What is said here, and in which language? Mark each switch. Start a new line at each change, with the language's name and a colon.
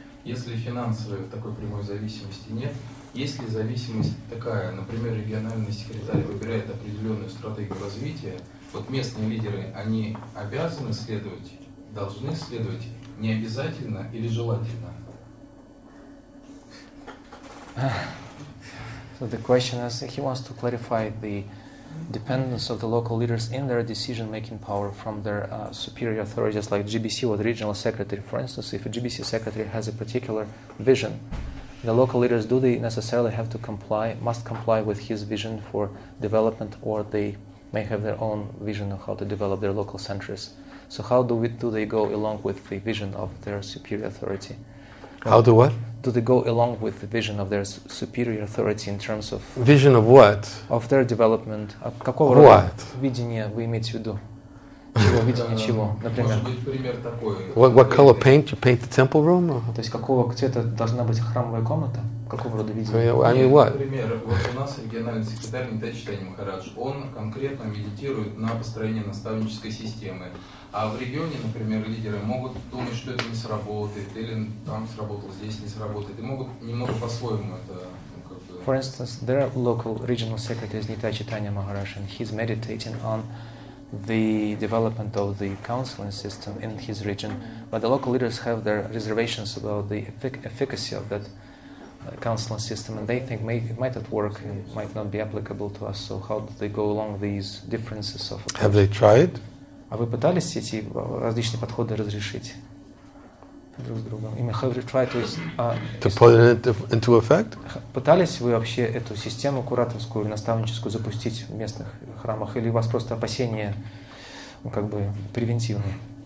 Russian: Если финансовой такой прямой зависимости нет, есть ли зависимость такая, например, региональный секретарь выбирает определенную стратегию развития, вот местные лидеры, они обязаны следовать, должны следовать, не обязательно или желательно?
English: So the question is, he wants to clarify the dependence of the local leaders in their decision-making power from their superior authorities like GBC or the regional secretary. For instance, if a GBC secretary has a particular vision, the local leaders, do they necessarily have to comply, must comply with his vision for development, or they may have their own vision of how to develop their local centers? So how do they go along with the vision of their superior authority? How do what? Do they go along with the vision of their superior authority in terms of... Vision of what? Of their development. Of
Russian: какого рода?
English: What?
Russian: Видение вы имеете в виду? Чего, видение чего, например? Может быть, пример такой.
English: What color paint? You paint the temple room?
Russian: То есть, какого цвета должна быть храмовая комната? Какого рода видение?
English: I mean, what?
Russian: Например, вот у нас региональный секретарь Нитай Читани Махарадж, он конкретно медитирует на построение наставнической системы. А в регионе, например, лидеры могут думать, что это не сработает, или там сработало, здесь не сработает, и могут немного по-своему это...
English: For instance, their local regional secretary is Nitai Chaitanya Maharaj, and he's meditating on the development of the counseling system in his region, but the local leaders have their reservations about the efficacy of that counseling system, and they think it might not work, and might not be applicable to us, so how do they go along these differences of... approach? Have they tried?
Russian: А вы пытались эти различные подходы разрешить друг с другом? И мы
English: try to put it into effect?
Russian: Пытались вы вообще эту систему кураторскую, наставническую запустить в местных храмах, или у вас просто опасения, ну, как бы превентивные?